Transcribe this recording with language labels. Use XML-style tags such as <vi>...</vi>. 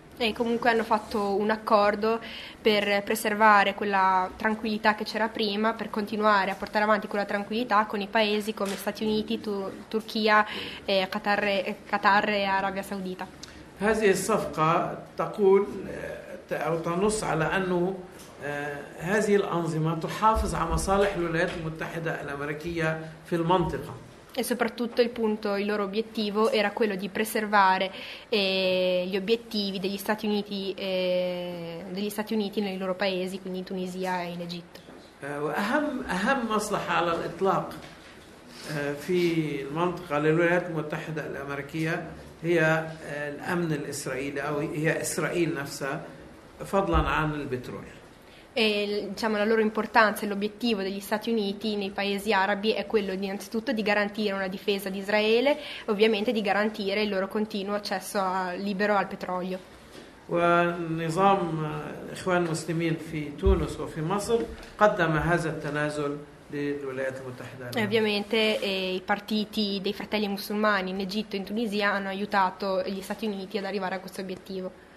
<it>E comunque hanno fatto un accordo per preservare quella tranquillità che c'era prima, per continuare a portare avanti quella tranquillità con i paesi come Stati Uniti, Turchia, Qatar e Arabia Saudita.</it> <ar>هذه الصفقة تقول أو تنص على أنه هذه الأنظمة تحافظ على مصالح الولايات المتحدة الأمريكية في المنطقة.</ar> <it>E soprattutto il loro obiettivo era quello di preservare gli obiettivi degli Stati Uniti nei loro paesi, quindi in Tunisia e in Egitto.</it> <ar>أهم مصلحة على الإطلاق في المنطقة للولايات المتحدة الأمريكية هي الأمن الإسرائيلي أو هي إسرائيل نفسها فضلا عن البترول.</ar> <it>E diciamo la loro importanza e l'obiettivo degli Stati Uniti nei paesi arabi è quello innanzitutto di garantire una difesa di Israele, ovviamente di garantire il loro continuo accesso libero al petrolio.</it> <ar>ونظام الإخوان المسلمين في تونس وفي مصر قدم هذا التنازل للولايات المتحدة.</ar> <it>E ovviamente i partiti dei fratelli musulmani in Egitto e in Tunisia hanno aiutato gli Stati Uniti ad arrivare a questo obiettivo.</it>